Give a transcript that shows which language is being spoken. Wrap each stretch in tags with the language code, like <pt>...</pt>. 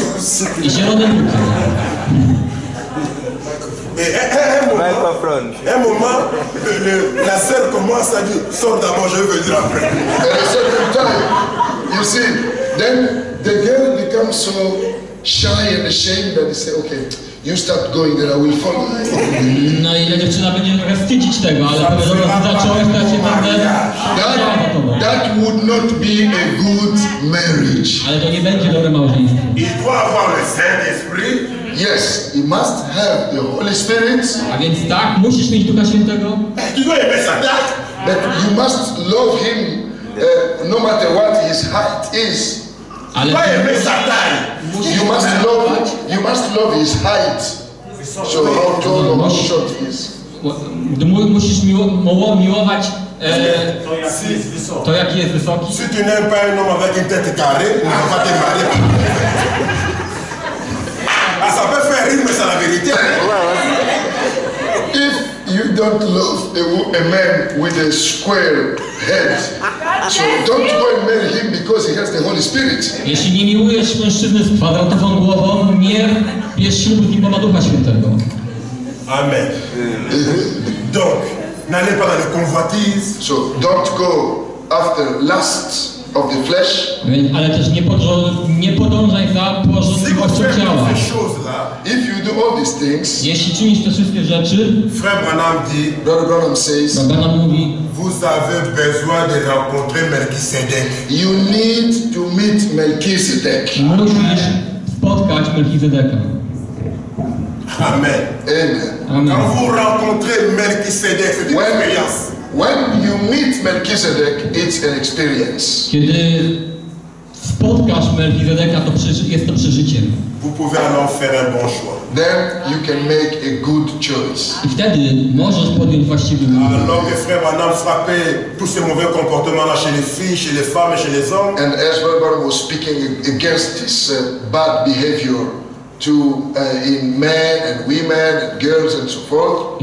<en>He put on some big trousers like this.</en> <fr>Un moment, la sœur commence à dire, sors d'abord, je veux dire après.</fr> <en>At a certain time, you see, then the girl becomes so shy and ashamed that they say, okay, you start going there, I will follow.</en> <pl>No i dziewczyna będzie trochę wstydzić tego, ale powiedzmy, że zacząłeś, to się będę...</pl> <en>That would not be a good marriage.</en> <pl>Ale to nie będzie dobre małżeństwo.</pl> <fr>Il doit avoir le Saint-Esprit.</fr> <en>Yes, you must have the Holy Spirit.</en> <pl>A więc tak, musisz mieć Ducha Świętego.</pl> <en>But you must love him no matter what his heart is.</en> <pl>Ale</pl> <en>you must love his height. So how tall or how short he is.</en> <pl>Musisz miłować to, jaki jest wysoki.</pl> <fr>Si tu n'aimes pas un homme avec une tête carrée, on ne va pas te marier. Ça peut faire rire, mais c'est la vérité.</fr> <en>If you don't love a man with a square head, so don't go and marry him because he has the Holy Spirit.</en> <pl>Jeśli nie miłujesz mężczyzny z kwadratową głową, nie bierz ślubu, nie ma Ducha Świętego.</pl> <fr>Amen. Donc, n'allez pas dans les convoitises.</fr> <en>So don't go after lust of the flesh.</en> <pl>Ale też nie podążaj za pożądliwością ciała.</pl> <en>If you do all these things,</en> <pl>jeśli czynisz te wszystkie rzeczy,</pl> <fr>Frère Branham dit,</fr> <en>Brother Branham says,</en> <pl>Branham mówi,</pl> <fr>vous avez besoin de rencontrer Melchizedek.</fr> <en>You need to meet Melchizedek.</en> <pl>Musisz spotkać Melchizedeka. Amen. Amen.</pl> <fr>Quand vous rencontrez Melchizedek, c'est une expérience.</fr> <en>When you meet Melchizedek, it's an experience.</en> <pl>Kiedy spotkasz Melchizedeka, to jest to przeżycie.</pl> <fr>Vous pouvez alors faire un bon choix.</fr> <en>Then you can make a good choice.</en> <pl>I wtedy możesz podjąć właściwy wybór.</pl> <fr>Alors que Frère Branham frappait tous ces mauvais comportements-là chez les filles, chez les femmes et chez les hommes.</fr> <en>And as Weber was speaking against this bad behavior to in men and women and girls and so forth.</en>